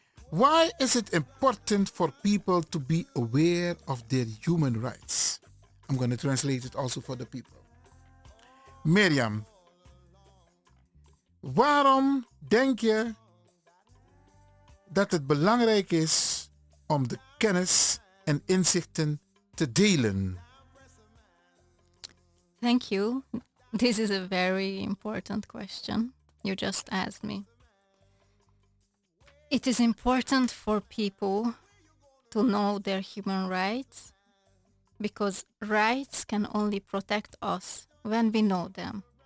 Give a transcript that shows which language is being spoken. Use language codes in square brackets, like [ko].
[en] Why is it important for people to be aware of their human rights? I'm going to translate it also for the people. [nl] Mirjam, waarom denk je dat het belangrijk is om de kennis en inzichten te delen? [en] Thank you. This is a very important question you just asked me. It is important for people to know their human rights because rights can only protect us when we know them.